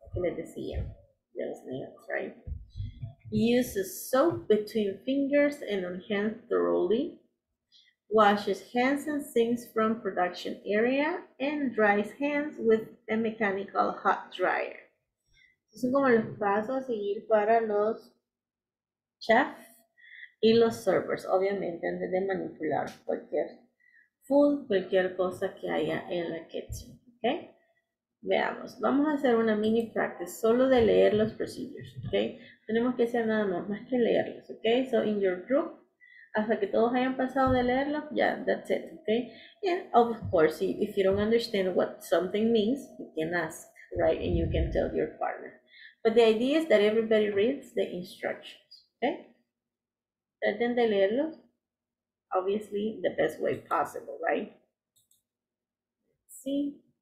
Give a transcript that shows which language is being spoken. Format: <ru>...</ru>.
<en>Let me see those nails, right? Uses soap between fingers and on hands thoroughly. Washes hands and sinks from production area and dries hands with a mechanical hot dryer.</en> <es>Estos son como los pasos a seguir para los chefs y los servers, obviamente antes de manipular cualquier food, cualquier cosa que haya en la kitchen, ¿ok? Veamos, vamos a hacer una mini practice solo de leer los procedures, ¿ok? Tenemos que hacer nada más que leerlos, ¿ok?</es> <en>So in your group, hasta que todos hayan pasado de leerlo, yeah, that's it, okay? Yeah, of course, if you don't understand what something means, you can ask, right? And you can tell your partner. But the idea is that everybody reads the instructions, okay? Traten de leerlo, obviously, the best way possible, right? See?</en>